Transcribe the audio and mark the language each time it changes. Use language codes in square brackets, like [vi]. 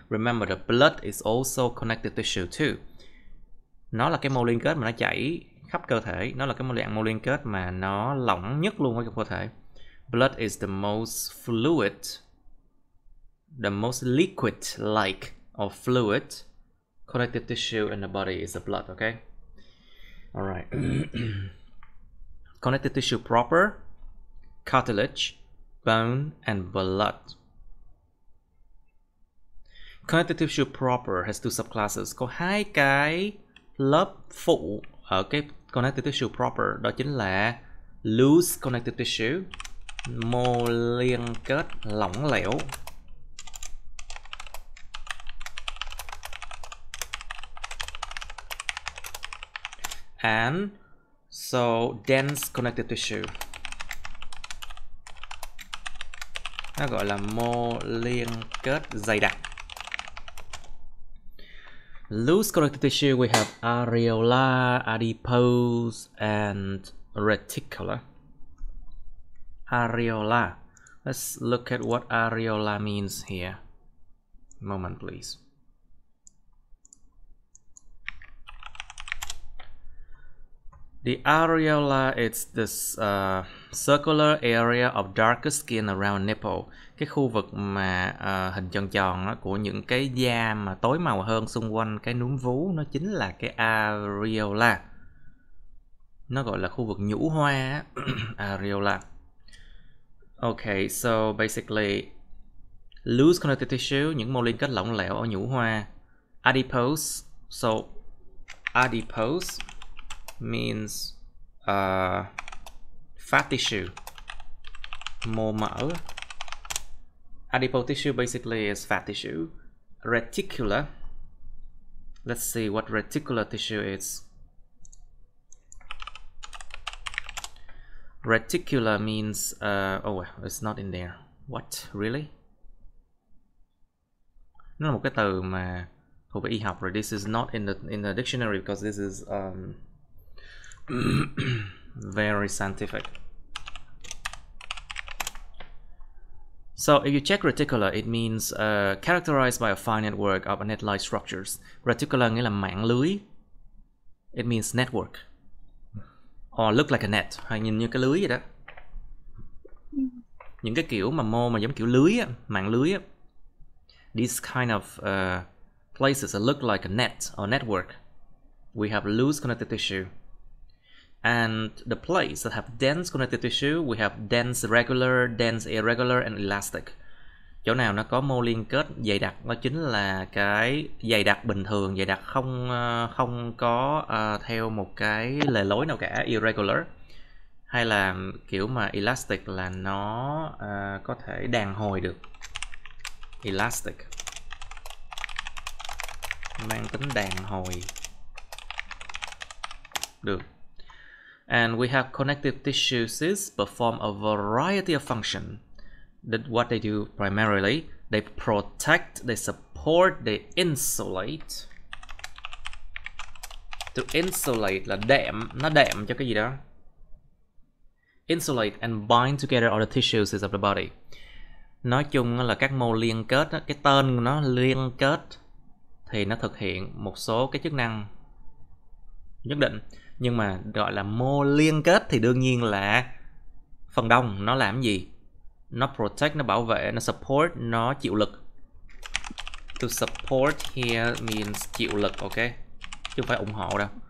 [en] Remember the blood is also connective tissue too. [vi] Nó là cái mô liên kết mà nó chảy khắp cơ thể. Nó là cái một dạng mô liên kết mà nó lỏng nhất luôn ở trong cơ thể. [en] Blood is the most fluid, the most liquid like or fluid connective tissue in the body is the blood, okay? Alright. Connective tissue proper, cartilage, bone and blood. Connective tissue proper has two subclasses. [vi] Có hai cái lớp phụ ở cái connective tissue proper, đó chính là loose connective tissue, mô liên kết lỏng lẻo. [en] And so dense connective tissue. [vi] Nó gọi là mô liên kết dày đặc. [en] Loose connective tissue, we have areola, adipose, and reticula. Areola. Let's look at what areola means here. Moment, please. The areola is this circular area of darker skin around nipple. [vi] Cái khu vực mà hình tròn tròn đó, của những cái da mà tối màu hơn xung quanh cái núm vú, nó chính là cái areola. Nó gọi là khu vực nhũ hoa areola. [en] Okay, so basically loose connective tissue, [vi] những mô liên kết lỏng lẻo ở nhũ hoa. [en] Adipose, so adipose means fat tissue, [vi] mô mỡ. [en] Adipose tissue basically is fat tissue. Reticular, let's see what reticular tissue is. Reticular means it's not in there. What, really? [vi] Nó là một cái từ mà thuộc về y học rồi. [en] This is not in the dictionary because this is very scientific. So if you check reticular, it means characterized by a fine network of net-like structures. [vi] Reticular nghĩa là mạng lưới. [en] It means network. Or look like a net, [vi] hay nhìn như cái lưới vậy đó. Những cái kiểu mà mô mà giống kiểu lưới á, mạng lưới á. [en] These kind of places that look like a net or network. We have loose connective tissue. And the place that have dense connective tissue, we have dense regular, dense irregular, and elastic. [vi] Chỗ nào nó có mô liên kết dày đặc, nó chính là cái dày đặc bình thường, dày đặc không không có theo một cái lề lối nào cả, irregular. Hay là kiểu mà elastic là nó có thể đàn hồi được. [en] Elastic. [vi] Mang tính đàn hồi. [en] Được. And we have connective tissue cysts perform a variety of functions. That what they do primarily, they protect, they support, they insulate. [vi] To insulate là đệm, nó đệm cho cái gì đó. [en] Insulate and bind together all the tissues of the body. [vi] Nói chung là các mô liên kết, cái tên của nó liên kết thì nó thực hiện một số cái chức năng nhất định. Nhưng mà gọi là mô liên kết thì đương nhiên là phần đông nó làm gì? Nó protect, nó bảo vệ, nó support, nó chịu lực. [en] To support here means [vi] chịu lực, ok? Chứ không phải ủng hộ đâu.